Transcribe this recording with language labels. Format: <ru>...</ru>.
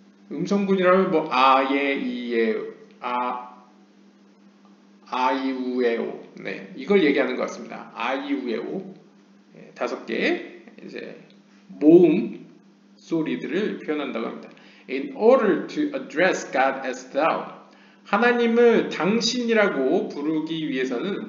<ko>음성군이라면 뭐 아예 이예 아 아이우에오 네 이걸 얘기하는 것 같습니다. 아이우에오 네, 다섯 개의 이제 모음 소리들을 표현한다고 합니다.</ko> <en>In order to address God as thou.</en> <ko>하나님을 당신이라고 부르기 위해서는</ko>